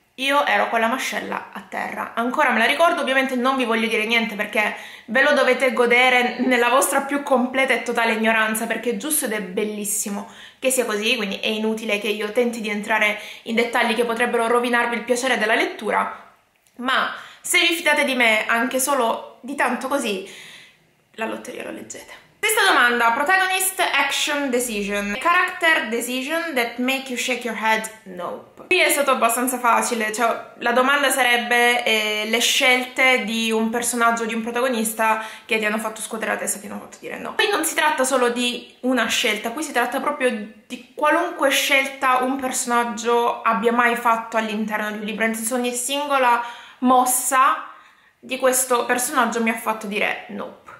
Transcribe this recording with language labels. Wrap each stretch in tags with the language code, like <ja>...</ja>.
<it>Io ero con la mascella a terra. Ancora me la ricordo, ovviamente non vi voglio dire niente perché ve lo dovete godere nella vostra più completa e totale ignoranza, perché è giusto ed è bellissimo che sia così, quindi è inutile che io tenti di entrare in dettagli che potrebbero rovinarvi il piacere della lettura, ma se vi fidate di me anche solo di tanto così, La Lotteria lo leggete. Sesta domanda:</it> <en>protagonist action decision, character decision that make you shake your head nope.</en> <it>Qui è stato abbastanza facile, cioè la domanda sarebbe le scelte di un personaggio, di un protagonista che ti hanno fatto scuotere la testa, ti hanno fatto dire no. Qui non si tratta solo di una scelta, qui si tratta proprio di qualunque scelta un personaggio abbia mai fatto all'interno di un libro, nel senso ogni singola mossa di questo personaggio mi ha fatto dire no. Nope.</it>